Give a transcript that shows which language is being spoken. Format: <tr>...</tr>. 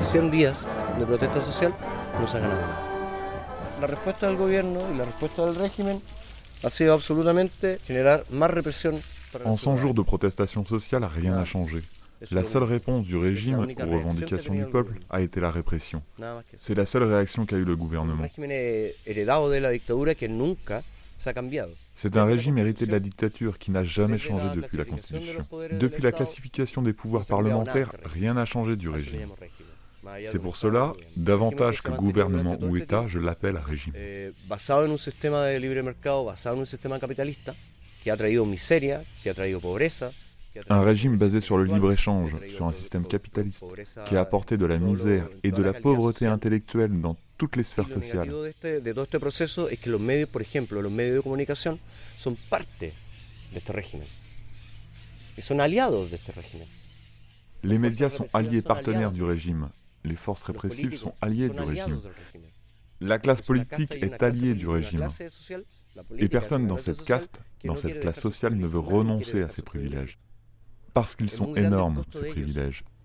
<es>Días de protesta social no se ha ganado nada. La respuesta del gobierno y la respuesta del régimen ha sido absolutamente generar más represión.</es> <fr>En 100 jours de protestation sociale, rien n'a changé. La seule réponse du régime aux revendications du peuple a été la répression. C'est la seule réaction qu'a eu le gouvernement.</fr> <es>Heredado de la dictadura que nunca se ha cambiado.</es> <fr>C'est un régime hérité de la dictature qui n'a jamais changé depuis la constitution. Depuis la classification des pouvoirs parlementaires, rien n'a changé du régime. C'est pour cela, davantage que gouvernement ou État, je l'appelle régime.</fr> <es>Basado en un sistema de libre mercado, basado en un sistema capitalista, que ha traído miseria, que ha traído pobreza.</es> <fr>Un régime basé sur le libre-échange, sur un système capitaliste, qui a apporté de la misère et de la pauvreté intellectuelle dans toutes les sphères sociales.</fr> <es>Lo negativo de todo este proceso es que los medios, por ejemplo, los medios de comunicación, son parte de este régimen. Y son aliados de este régimen.</es> <fr>Les médias sont alliés et partenaires du régime. Les forces répressives sont alliées du régime. La classe politique est alliée du régime. Et personne dans cette caste, dans cette classe sociale, ne veut renoncer à ces privilèges. Parce qu'ils sont énormes, ces privilèges.</fr>